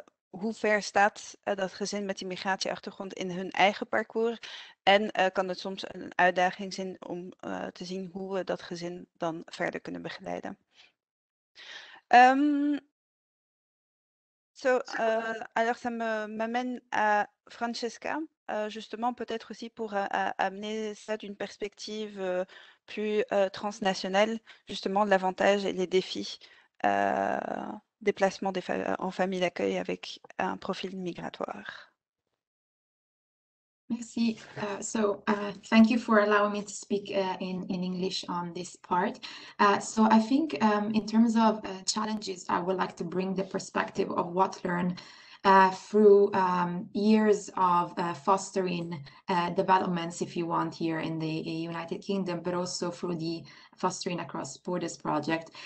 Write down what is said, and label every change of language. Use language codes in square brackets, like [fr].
[nl] hoe ver staat dat gezin met die migratieachtergrond in hun eigen parcours? En kan het soms een uitdaging zijn om te zien hoe we dat gezin dan verder kunnen begeleiden? [fr] Alors ça m'amène à Francesca, justement peut-être aussi pour amener ça d'une perspective plus transnationale, justement l'avantage et les défis. Déplacement en famille d'accueil avec un profil migratoire. Merci. [en] Thank you for allowing me to speak in English on this part. So I think in terms of challenges, I would like to bring the perspective of what learn through years of fostering developments, if you want, here in the United Kingdom, but also through the Fostering Across Borders project.